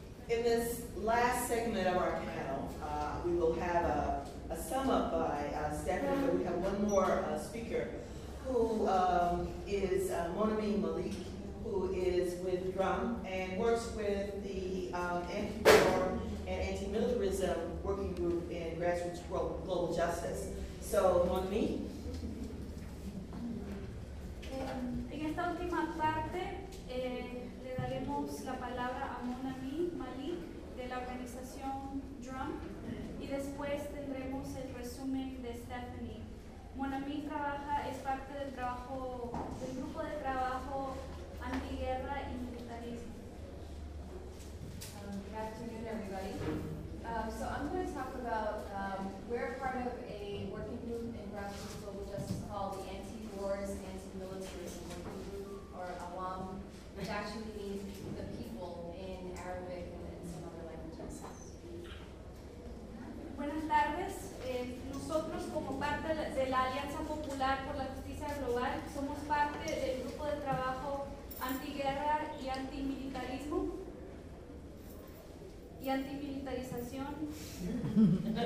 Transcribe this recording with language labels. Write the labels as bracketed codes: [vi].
[en] In this last segment of our panel, we will have a sum up by Stephanie, but we have one more speaker, who is Monami Malik, who is with DRUM and works with the anti-war and anti-militarism working group in Grassroots Global Justice. So, Monami. [es] En esta última parte, le daremos la palabra a Monami Malik de la organización DRUM, y después tendremos el resumen de Stephanie. Monami es parte del trabajo, del grupo de trabajo antiguerra y militarismo. [en] Good afternoon, everybody. So I'm going to talk about, we're part of a working group in Grassroots Global Justice called the Anti-Wars, Anti-Militarism Working Group, or AWAM, which actually means the people in Arabic and in some other languages. [es] Buenas tardes. Nosotros, como parte de la Alianza Popular por la Justicia Global, somos parte del grupo de trabajo antiguerra y antimilitarismo y antimilitarización.